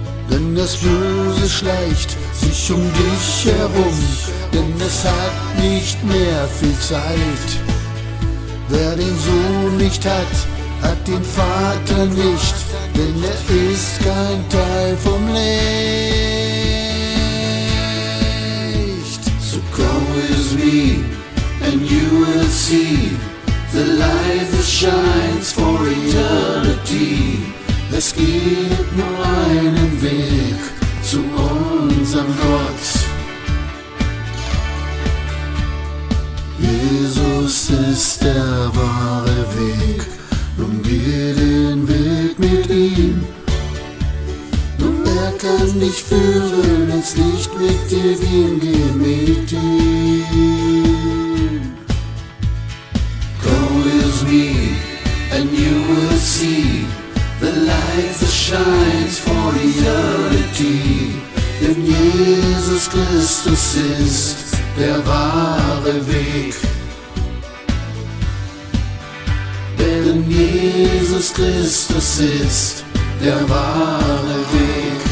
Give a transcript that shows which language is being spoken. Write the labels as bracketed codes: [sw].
[de] Denn das Böse schleicht sich um dich herum, denn es hat nicht mehr viel Zeit. Wer den Sohn nicht hat, hat den Vater nicht, denn er ist kein Teil vom Licht. [en] So come with me, and you will see the light that shines for eternity. [de] Es gibt nur einen Weg zu unserem Gott. Jesus ist der wahre Weg, nun geh den Weg mit ihm. Nun er kann dich führen, ins Licht mit dir gehen, geh mit ihm. [en] Come with me, and you will see the light that shines for eternity. [de] Denn Jesus Christus ist der wahre Weg. Denn Jesus Christus ist der wahre Weg.